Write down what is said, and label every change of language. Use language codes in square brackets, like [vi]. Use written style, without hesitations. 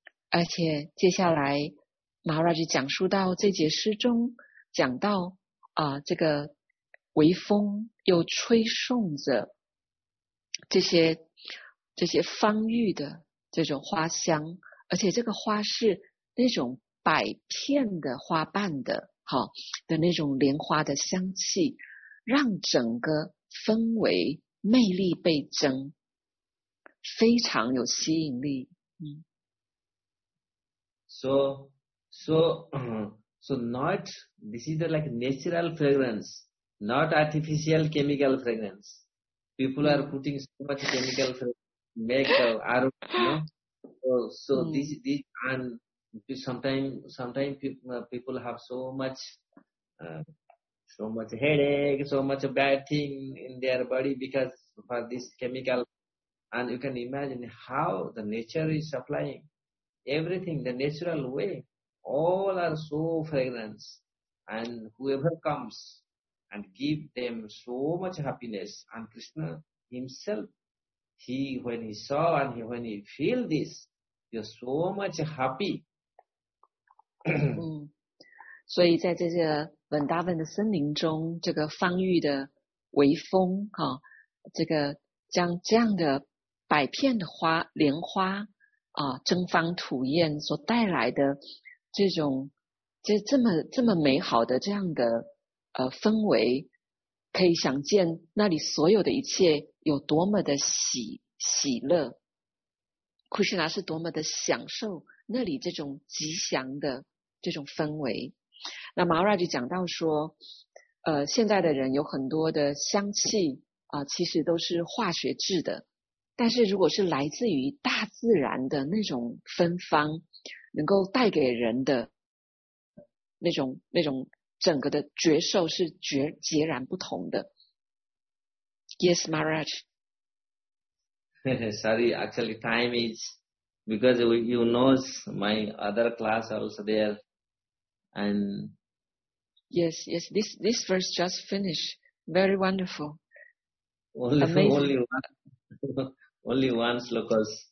[zh] 而且接下来马拉就讲述到这节诗中讲到这个微风又吹送着这些芳郁的这种花香，而且这个花是那种百片的花瓣的的那种莲花的香气，让整个氛围魅力倍增，非常有吸引力。 [en] So not, this is like natural fragrance, not artificial chemical fragrance. People are putting so much chemical fragrance, make aroma, you know. So this, and sometimes people have so much headache, so much bad thing in their body because for this chemical. And you can imagine how the nature is supplying everything the natural way. All are so fragrant, and whoever comes and give them so much happiness. And Krishna himself, when he feel this, he was so much happy. [zh] 所以在这个文达文的森林中，这个芳郁的微风这个将这样的百片的花莲花争芳吐艳所带来的这种就这么美好的这样的氛围，可以想见那里所有的一切有多么的喜乐。库什纳是多么的享受那里这种吉祥的这种氛围。那马拉就讲到说现在的人有很多的香气其实都是化学制的。但是如果是来自于大自然的那种芬芳，能够带给人的那种整个的觉受是截然不同的。 [en] Yes, Maharaj. Sorry, actually time is because you know my other class also there. And Yes, this verse just finished. Very wonderful. Only one slokas.